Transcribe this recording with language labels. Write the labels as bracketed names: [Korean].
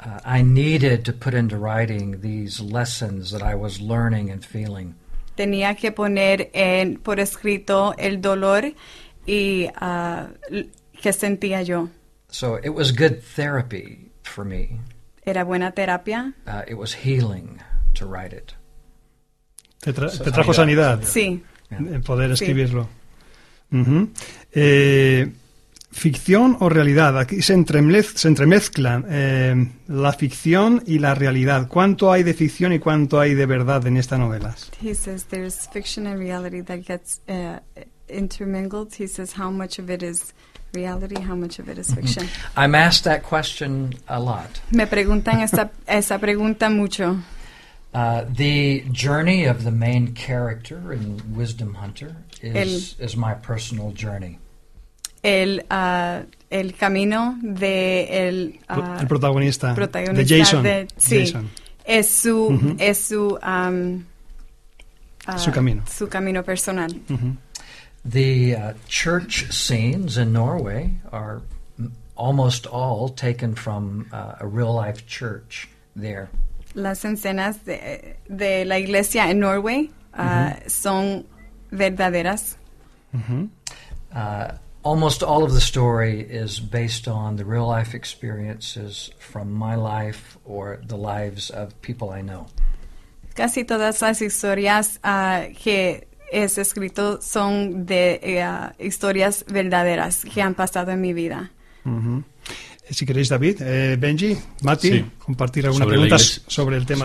[English] I needed to put into writing these lessons that I was learning and feeling. [Spanish] Tenía que poner por escrito el dolor y que sentía yo. [English] So it was good therapy for me. [Spanish] Era buena terapia. [English] It was healing to write it. [Spanish] Te trajo sanidad. Sí. En poder escribirlo. Sí. Ficción o realidad, aquí se entremezclan la ficción y la realidad. ¿Cuánto hay de ficción y cuánto hay de verdad en esta novela? [English] He says there's fiction and reality that gets intermingled. He says how much of it is reality, how much of it is fiction. I'm asked that question a lot. [Spanish] Me preguntan esa pregunta mucho. [English] The journey of the main character in Wisdom Hunter is my personal journey. [Spanish] El camino de el protagonista, de Jason. Sí, Jason. Es su es su su camino. Su camino personal. [English] The church scenes in Norway are almost all taken from a real life church there. [Spanish] Las escenas de la iglesia en Norway son verdaderas. [English] Almost all of the story is based on the real life experiences from my life or the lives of people I know. [Spanish] Casi todas las historias que es escrito son de historias verdaderas que han pasado en mi vida. si queréis, David, Benji, Mati, sí, compartir algunas sobre preguntas sobre el tema.